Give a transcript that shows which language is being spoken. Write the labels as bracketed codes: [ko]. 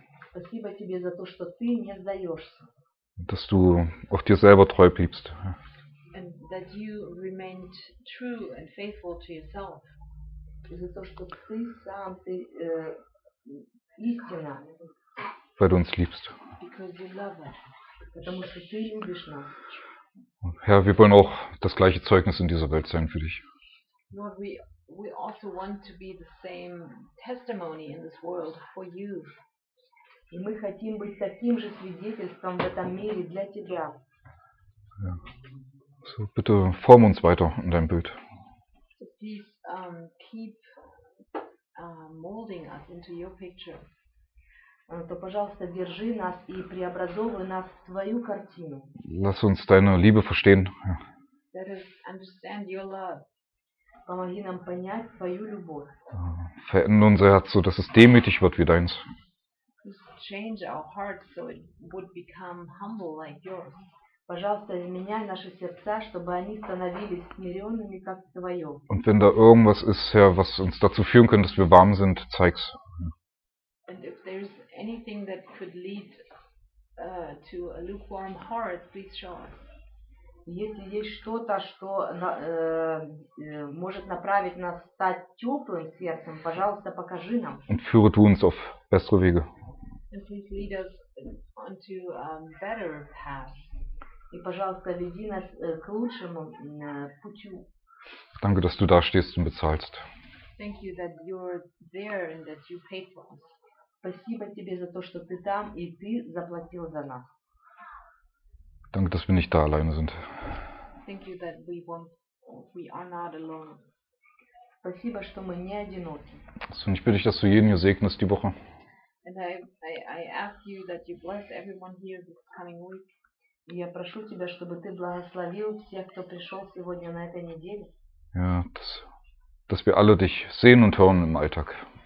[ru] Спасибо тебе за то, что ты не сдаешься. [de] Dass du auch dir selber treu bleibst. [en] And that you remained true and faithful to yourself. [ru] За то, что ты сам, ты истина. [de] Weil du uns liebst. [en] Because you love us. [ru] Потому что ты любишь нас. [de] Herr, wir wollen auch das gleiche Zeugnis in dieser Welt sein für dich. [en] Lord, we also want to be the same testimony in this world for you. [ru] И мы хотим быть таким же свидетельством в этом мире для тебя. [de] Ja. So, bitte form uns weiter in deinem Bild. [en] So please keep molding us into your picture. [ru] То, пожалуйста, держи нас и преобразовывай нас в твою картину. [de] Lass uns deine Liebe verstehen. [en] Let us understand your love. [ru] Помоги нам понять твою любовь. [de] Verändere unser Herz, so dass es demütig wird wie deins. [en] Change our heart so it would become humble like yours. [ru] Пожалуйста, изменяй наши сердца, чтобы они становились смиренными, как твое. [de] Und wenn da irgendwas ist, Herr, was uns dazu führen könnte, dass wir warm sind, zeig's. [en] And if there's anything that could lead to a lukewarm heart, please show us. [ru] Если есть что-то, что может направить нас стать теплым сердцем, пожалуйста, покажи нам. [de] Und führe du uns auf bessere Wege. [en] And please lead us onto a better path. [ru] И, пожалуйста, веди нас к лучшему путю. [de] Danke, dass du da stehst und bezahlst. [en] Thank you that you're there and that you paid for us. [ru] Спасибо тебе за то, что ты там и ты заплатил за нас. [de] Danke, dass wir nicht da alleine sind. [en] Thank you that we are not alone. [ru] Спасибо, что мы не одиноки. [de] So, und ich bitte dich, dass du jeden hier segnest die Woche. [en] And I ask you that you bless everyone here this coming week. [ru] Я прошу тебя, чтобы ты благословил всех, кто пришел сегодня на этой неделе. [de] Ja, dass wir alle dich sehen und hören im Alltag.